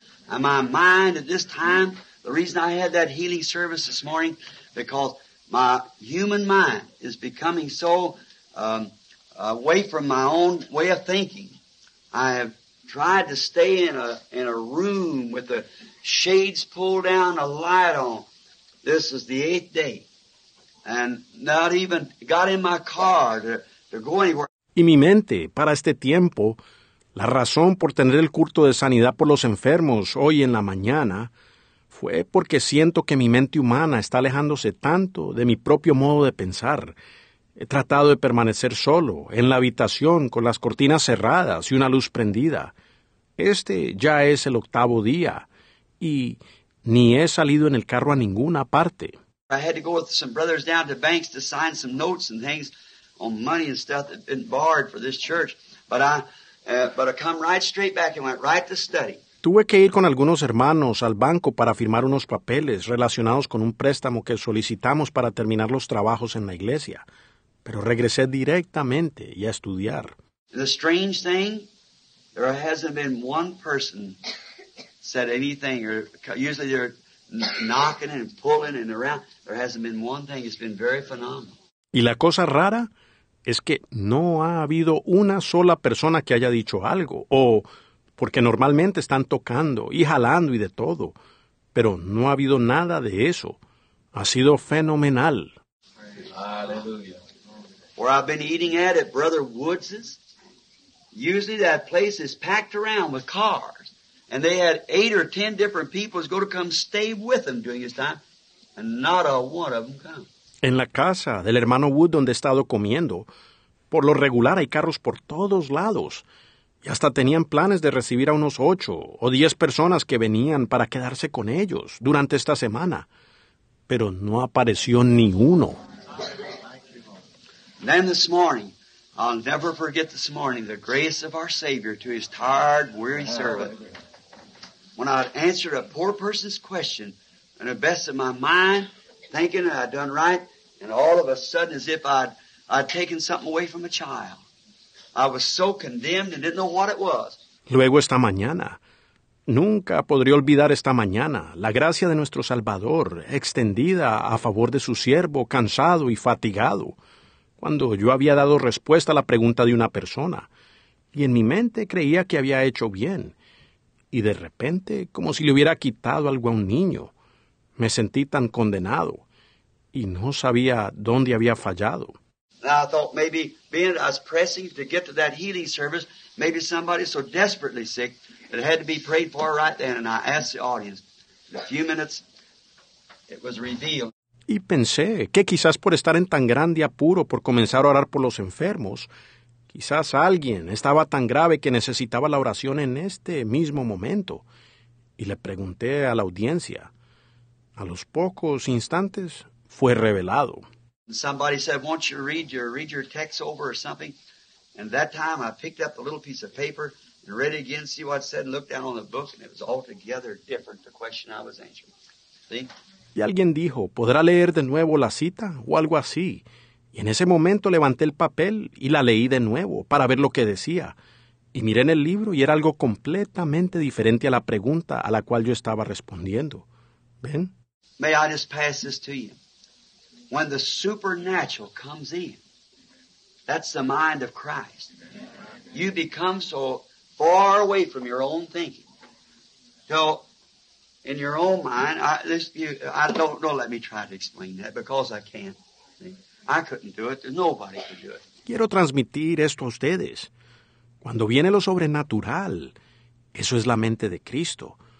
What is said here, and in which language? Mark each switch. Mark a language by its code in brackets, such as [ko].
[en] In my mind at this time, the reason I had that healing service this morning, because my human mind is becoming so away from my own way of thinking. I have tried to stay in a room with the shades pulled down, a light on. This is the eighth day. And not even got in my car to go anywhere. [es] Y mi mente, para este tiempo, la razón por tener el culto de sanidad por los enfermos hoy en la mañana, fue porque siento que mi mente humana está alejándose tanto de mi propio modo de pensar. He tratado de permanecer solo, en la habitación, con las cortinas cerradas y una luz prendida. Este ya es el octavo día, y ni he salido en el carro a ninguna parte. [en] I had to go with some brothers down to banks to sign some notes and things on money and stuff that had been borrowed for this church. But I come right straight back and went right to study. [es] Tuve que ir con algunos hermanos al banco para firmar unos papeles relacionados con un préstamo que solicitamos para terminar los trabajos en la iglesia. Pero regresé directamente y a estudiar. [en] The strange thing, there hasn't been one person said anything, or usually they're knocking and pulling and around. There hasn't been one thing. It's been very phenomenal. [es] Y la cosa rara es que no ha habido una sola persona que haya dicho algo, o porque normalmente están tocando y jalando y de todo, pero no ha habido nada de eso. Ha sido fenomenal. [en] Hallelujah. Where I've been eating at Brother Woods's, usually that place is packed around with cars. And they had 8 or 10 different people go to come stay with him during his time, and not a one of them come. [es] En la casa del hermano Wood donde he estado comiendo, por lo regular hay carros por todos lados, y hasta tenían planes de recibir a unos 8 o 10 personas que venían para quedarse con ellos durante esta semana, pero no apareció ni uno. [en] Then this morning, I'll never forget this morning, the grace of our Savior to his tired, weary servant. When I answered a poor person's question, in the best of my mind, thinking that I'd done right, and all of a sudden, as if I'd taken something away from a child. I was so condemned and didn't know what it was. [es] Luego esta mañana, nunca podré olvidar esta mañana, la gracia de nuestro Salvador, extendida a favor de su siervo, cansado y fatigado, cuando yo había dado respuesta a la pregunta de una persona, y en mi mente creía que había hecho bien. Y de repente, como si le hubiera quitado algo a un niño, me sentí tan condenado y no sabía dónde había fallado. [en] Now I thought maybe being as pressing to get to that healing service, maybe somebody so desperately sick that it had to be prayed for right then. And I asked the audience. In a few minutes, it was revealed. [es] Y pensé que quizás por estar en tan grande apuro por comenzar a orar por los enfermos, quizás alguien estaba tan grave que necesitaba la oración en este mismo momento. Y le pregunté a la audiencia. A los pocos instantes, fue revelado. [en] Somebody said, "Won't you read your text over or something?" And that time I picked up a little piece of paper and read it again, see what it said, and looked down on the book, and it was altogether different, the question I was answering. See? [es] Y alguien dijo, ¿podrá leer de nuevo la cita? O algo así. Y en ese momento levanté el papel y la leí de nuevo para ver lo que decía. Y miré en el libro y era algo completamente diferente a la pregunta a la cual yo estaba respondiendo. ¿Ven? [en] May I just pass this to you. When the supernatural comes in, that's the mind of Christ. You become so far away from your own thinking. So, in your own mind, let me try to explain that because I can't. I couldn't do it. Nobody could do it. [es] Quiero transmitir esto a ustedes. Cuando viene lo sobrenatural, eso es la mente de Cristo.